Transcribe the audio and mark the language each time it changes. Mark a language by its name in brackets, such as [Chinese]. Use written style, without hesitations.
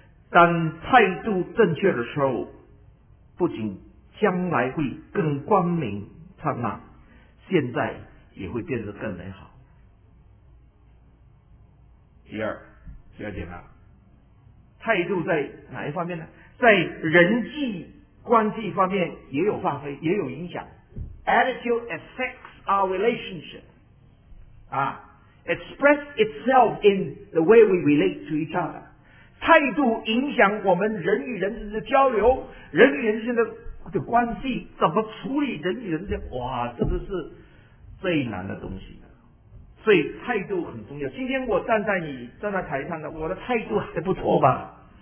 [Chinese] 当态度正确的时候，不仅将来会更光明灿烂，现在也会变得更美好。第二点啊，态度在哪一方面呢？在人际关系方面也有发挥，也有影响。 [English] Attitude affects our relationship 啊，Express itself in the way we relate to each other. [Chinese] 态度影响我们人与人之间的交流，人与人之间的关系，怎么处理人与人之间，哇，这个是最难的东西。所以态度很重要。今天我站在台上的，我的态度还不错吧？